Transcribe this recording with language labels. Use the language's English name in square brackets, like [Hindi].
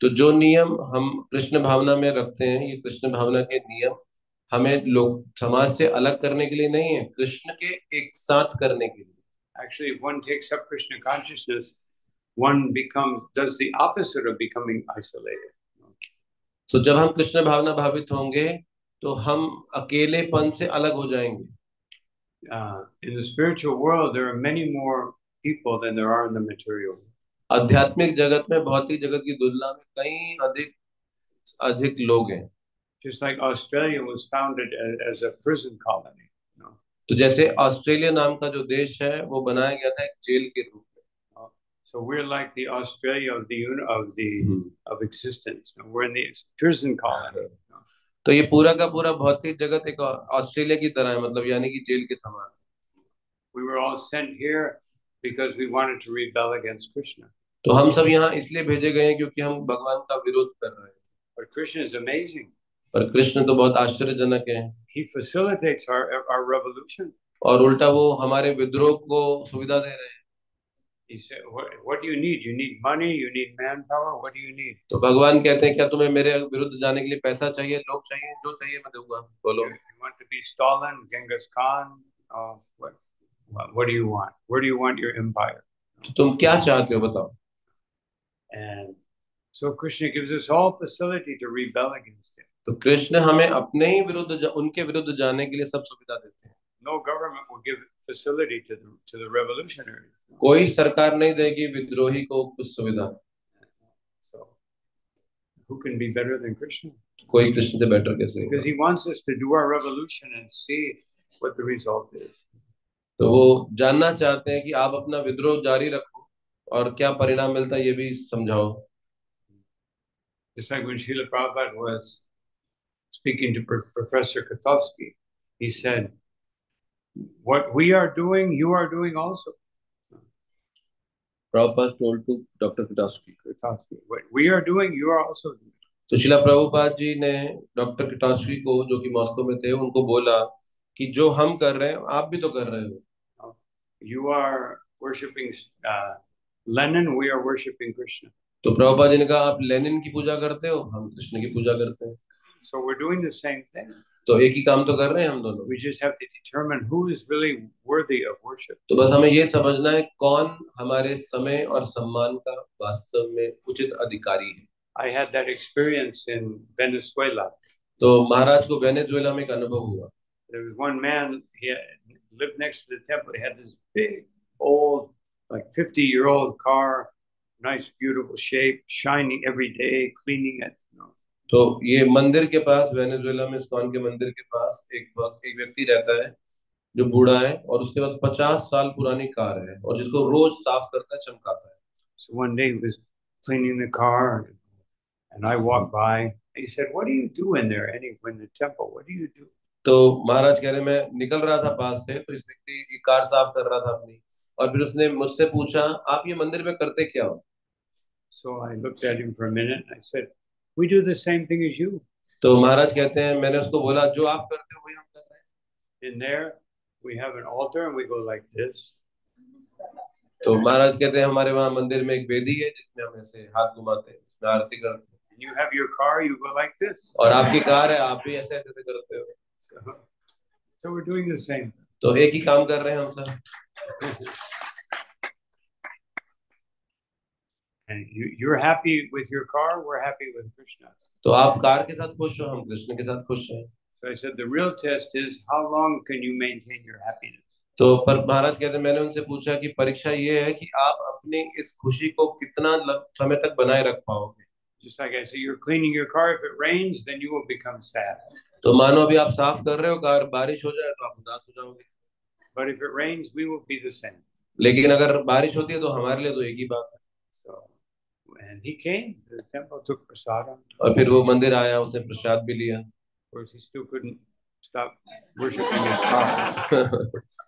[Hindi] तो जो नियम हम कृष्ण भावना में रखते हैं ये कृष्ण भावना के नियम हमें लोग समाज से अलग करने के लिए नहीं है कृष्ण के एक साथ करने के लिए [English] actually one takes up Krishna consciousness one becomes does the opposite of becoming isolated [Hindi] तो जब हम कृष्ण भावना भावित होंगे तो हम अकेलेपन से अलग हो जाएंगे [English] in the spiritual world there are many more people than there are in the material [Hindi] आध्यात्मिक जगत में भौतिक जगत की तुलना में कई अधिक अधिक लोग हैं [English] just like australia was founded as a prison colony [Hindi] तो जैसे ऑस्ट्रेलिया नाम का जो देश है वो बनाया गया था एक जेल के रूप [English] So we're like the Australia of the of existence. No? We're in the prison colony. [Hindi] तो ये पूरा का पूरा भौतिक जगत एक ऑस्ट्रेलिया की तरह है मतलब यानी कि जेल के समान. [English] We were all sent here because we wanted to rebel against Krishna. [Hindi] तो हम सब यहाँ इसलिए भेजे गए हैं क्योंकि हम भगवान का विरोध कर रहे थे. [English] But Krishna is amazing. [Hindi] पर कृष्ण तो बहुत आश्चर्यजनक हैं. [English] He facilitates our revolution. [Hindi] और उल्टा वो हमारे विद्रोह को सुविधा दे रहे हैं. [English] He said, what do you need? You need money? You need manpower? What do you need? [Hindi] तो भगवान कहते हैं क्या तुम्हें मेरे विरुद्ध जाने के लिए पैसा चाहिए लोग चाहिए जो चाहिए मैं दूंगा बोलो [English] You want to be Stalin, Genghis Khan? What do you want? Where do you want your empire? [Hindi] तो तुम क्या चाहते हो बताओ [English] And so Krishna gives us all facility to rebel against him. [Hindi] तो कृष्ण हमें अपने ही विरुद्ध उनके विरुद्ध जाने के लिए सब सुविधा देते हैं [English] No government will give facility to the revolutionary. [Hindi] कोई सरकार नहीं देगी विद्रोही को कुछ सुविधा So, who can be better than Krishna? कोई कृष्ण से बेटर कैसे होगा? [English] Because he wants us to do our revolution and see what the result is. [Hindi] तो वो जानना चाहते हैं कि आप अपना विद्रोह जारी रखो और क्या परिणाम मिलता है ये भी समझाओ [English] Just like when Srila Prabhupada was speaking to Professor Katovsky, he said, What we are doing, you are doing also. Prabhupada told to Dr. Katovsky. What we are doing, you are also doing. [Hindi] तो शिला प्रभुपाद जी ने doctor किटास्की को जो कि Moscow में थे उनको बोला कि जो हम कर रहे हैं आप भी तो कर रहे हो [English] You are worshipping Lenin, we are worshipping Krishna. [Hindi] तो प्रभुपाद जी ने कहा आप लेनिन की पूजा करते हो, हम कृष्ण की पूजा करते हैं. [English] So we're doing the same thing. [Hindi] तो एक ही काम तो कर रहे हैं हम दोनों. [English] We just have to determine who is really worthy of worship. [Hindi] तो बस हमें ये समझना है कौन हमारे समय और सम्मान का वास्तव में उचित अधिकारी है. [English] I had that experience in Venezuela. [Hindi] तो महाराज को वेनेजुएला में एक अनुभव हुआ. [English] There was one man, he lived next to the temple. He had this big, old, like 50-year-old car, nice, beautiful shape, shining every day, cleaning it. [Hindi] तो ये मंदिर के पास, वेनेजुएला में इस्कॉन के मंदिर के पास एक व्यक्ति रहता है जो बूढ़ा है और उसके पास 50 साल पुरानी कार है और जिसको रोज साफ करता है, चमकाता है. [English] So one day he was cleaning the car and I walked by. He said, "What are you doing there anyway in the temple? What are you doing?" [Hindi] तो महाराज कह रहे मैं निकल रहा था पास से, तो इस व्यक्ति ये कार साफ कर रहा था अपनी और फिर उसने मुझसे पूछा आप ये मंदिर में करते क्या हो. [English] So I looked at him for a minute and I said, We do the same thing as you. [Hindi] तो महाराज कहते हैं मैंने उसको बोला जो आप करते हो वही हम कर रहे हैं. [English] In there, we have an altar and we go like this. [Hindi] तो महाराज कहते हैं हमारे वहाँ मंदिर में एक वेदी है जिसमें हम ऐसे हाथ घुमाते हैं, इसमें आरती करते हैं. [English] And you have your car, you go like this. [Hindi] और आपकी कार है, आप भी ऐसे ऐसे करते हो. [English] So we're doing the same. [Hindi] तो एक ही काम कर रहे हैं हम सब. [English] And you're happy with your car, we're happy with Krishna. [Hindi] तो आप कार के साथ खुश हो, हम कृष्ण के साथ खुश हैं. [English] So I said, the real test is how long can you maintain your happiness? [Hindi] तो पर महाराज कहते मैंने उनसे पूछा कि परीक्षा ये है कि आप अपने इस खुशी को कितना समय तक बनाए रख पाओगे. [English] Just like I said, you're cleaning your car, if it rains, then you will become sad. [Hindi] तो मानो अभी आप साफ कर रहे हो कार, बारिश हो जाए तो आप उदास हो जाओगे. [English] But if it rains, we will be the same. [Hindi] लेकिन अगर बारिश होती है तो हमारे लिए तो एक ही बात है. [English] So, And he came. The temple took prasadam. [Hindi] और फिर वो मंदिर आया, उसने प्रसाद भी लिया. [English] Of course, he still couldn't stop worshiping his car.